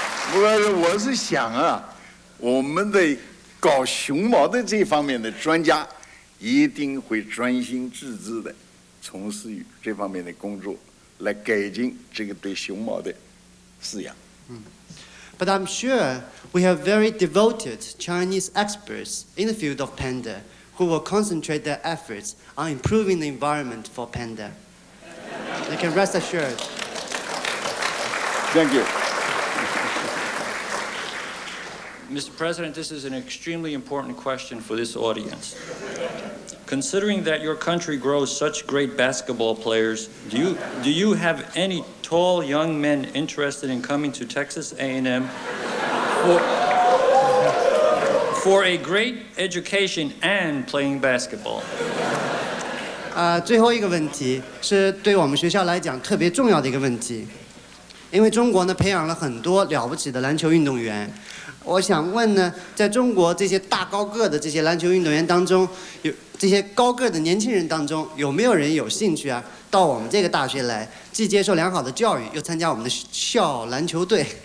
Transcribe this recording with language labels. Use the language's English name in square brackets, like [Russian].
[Chinese] 不过我是想啊，我们的搞熊猫的这方面的专家一定会专心致志的从事于这方面的工作，来改进这个对熊猫的饲养。 [English] But I'm sure we have very devoted Chinese experts in the field of panda who will concentrate their efforts on improving the environment for panda. You can rest assured. Thank you. Mr. President, this is an extremely important question for this audience. Considering that your country grows such great basketball players, do you have any tall young men interested in coming to Texas A&M for a great education and playing basketball? [Chinese] 最后一个问题是对我们学校来讲特别重要的一个问题，因为中国呢培养了很多了不起的篮球运动员。我想问呢，在中国这些大高个的这些篮球运动员当中，有这些高个的年轻人当中，有没有人有兴趣啊，到我们这个大学来，既接受良好的教育，又参加我们的校篮球队？